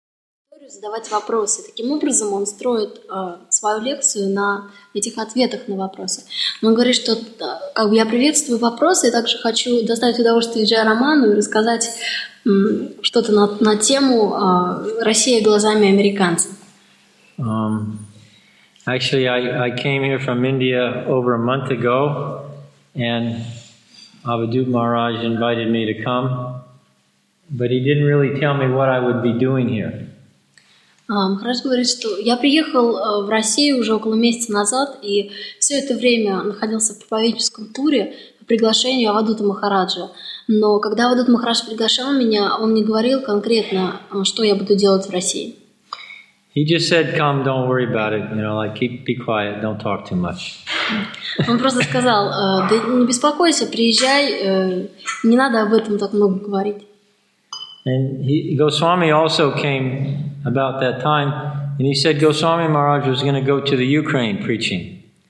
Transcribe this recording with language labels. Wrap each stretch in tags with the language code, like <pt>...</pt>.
<ru>аудиторию задавать вопросы. Таким образом, он строит свою лекцию на этих ответах на вопросы. Он говорит, что как бы я приветствую вопросы, и также хочу доставить удовольствие Джей Роману и рассказать что-то на тему «Россия глазами американца».</ru> <en>Actually, I came here from India over a month ago, and Avadhoot Maharaj invited me to come, but he didn't really tell me what I would be doing here.</en> <ru>Хорошо говорит, что я приехал в Россию уже около месяца назад, и все это время находился в проповедническом туре по приглашению Авадута Махараджа. Но когда Авадут Махарадж приглашал меня, он не говорил конкретно, что я буду делать в России.</ru> <en>He just said, "Come, don't worry about it. You know, like keep be quiet, don't talk too much."</en> <ru>Он просто сказал, да не беспокойся, приезжай, не надо об этом так много говорить.</ru> <en>And Goswami also came about that time, and he said Goswami Maharaj was going to go to the Ukraine preaching.</en>